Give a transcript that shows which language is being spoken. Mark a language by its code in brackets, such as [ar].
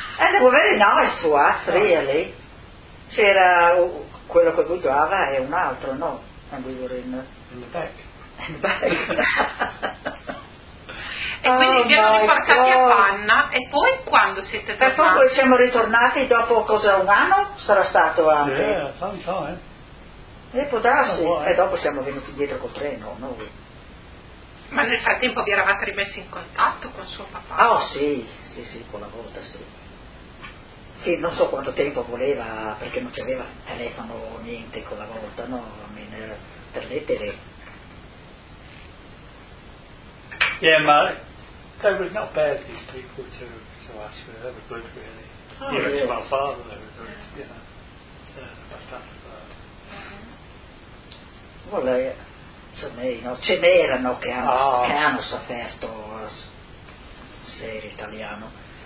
[en] And it was very nice to us, really. [it] C'era quello che guidava e un altro, no? [en] And we were in the back. [it] E quindi vi hanno riportati a Panna e poi quando siete tornati? E poi siamo ritornati dopo cosa, un anno sarà stato anche? [en] Yeah, sometime. [it] E può darsi, e dopo siamo venuti dietro col treno noi. Ma nel frattempo vi eravate rimessi in contatto con suo papà? Oh sì, quella volta sì. Sì, non so quanto tempo voleva, perché non c'aveva telefono o niente quella volta, no? Almeno era per lettere. [en] Yeah, [it] ma [en] that was not bad, these people to ask for. They were good, really. Oh, even really? To my father, they were good, you know. My stuff like that. Mm-hmm. Well, no, [it] ce n'erano che hanno, oh, che hanno sofferto, se era italiano.